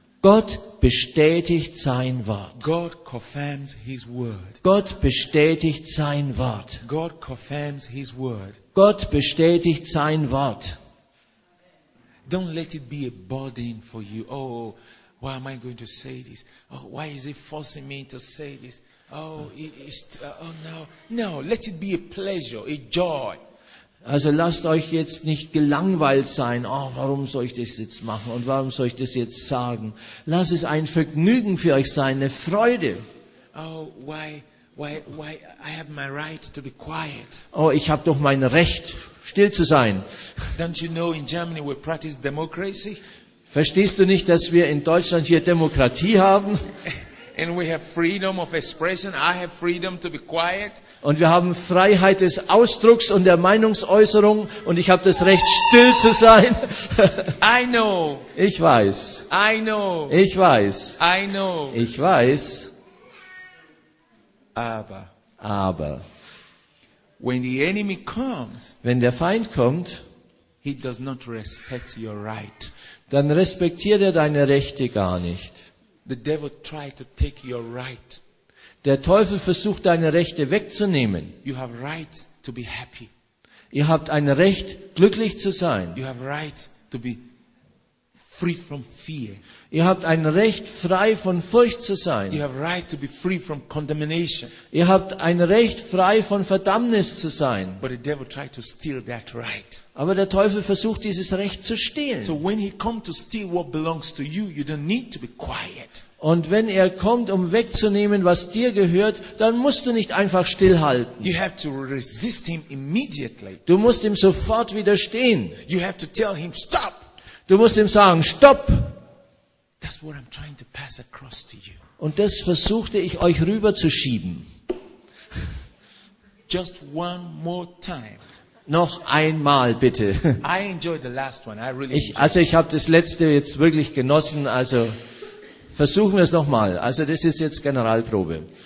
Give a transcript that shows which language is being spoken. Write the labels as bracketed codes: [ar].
[de] Gott bestätigt sein Wort. [en] God confirms his word. [de] Gott bestätigt sein Wort. [en] God confirms his word. [de] Gott bestätigt sein Wort. [en] Don't let it be a burden for you. Oh, why am I going to say this? Oh, why is it forcing me to say this? Oh, no. No, let it be a pleasure, a joy. [de] Also lasst euch jetzt nicht gelangweilt sein. Oh, warum soll ich das jetzt machen und warum soll ich das jetzt sagen? Lasst es ein Vergnügen für euch sein, eine Freude. [en] Oh, why I have my right to be quiet. [de] Oh, ich habe doch mein Recht, still zu sein. [en] Don't you know in Germany we practice democracy? [de] Verstehst du nicht, dass wir in Deutschland hier Demokratie haben? [en] And we have freedom of expression. I have freedom to be quiet. [de] Und wir haben Freiheit des Ausdrucks und der Meinungsäußerung. Und ich habe das Recht, still zu sein. [en] I know. [de] Ich weiß. [en] I know. [de] Ich weiß. [en] I know. [de] Ich weiß. [en] Aber. When the enemy comes, [de] wenn der Feind kommt, [en] he does not respect your right. [de] Dann respektiert er deine Rechte gar nicht. [en] The devil tried to take your right. [de] Der Teufel versucht, deine Rechte wegzunehmen. [en] You have right to be happy. [de] Ihr habt ein Recht, glücklich zu sein. [en] You have right to be free from fear. [de] Ihr habt ein Recht, frei von Furcht zu sein. [en] You have right to be free from condemnation. [de] Ihr habt ein Recht, frei von Verdammnis zu sein. [en] But the devil tried to steal that right. [de] Aber der Teufel versucht, dieses Recht zu stehlen. [en] So when he comes to steal what belongs to you, you don't need to be quiet. [de] Und wenn er kommt, um wegzunehmen, was dir gehört, dann musst du nicht einfach stillhalten. [en] You have to resist him immediately. [de] Du musst ihm sofort widerstehen. [en] You have to tell him stop. [de] Du musst ihm sagen, stopp! [en] That's what I'm trying to pass across to you. [de] Und das versuchte ich euch rüberzuschieben. [en] Just one more time. [de] Noch einmal bitte. [en] I enjoyed the last one. I really enjoyed it. [de] Also ich habe das letzte jetzt wirklich genossen. Also versuchen wir es nochmal. Also das ist jetzt Generalprobe.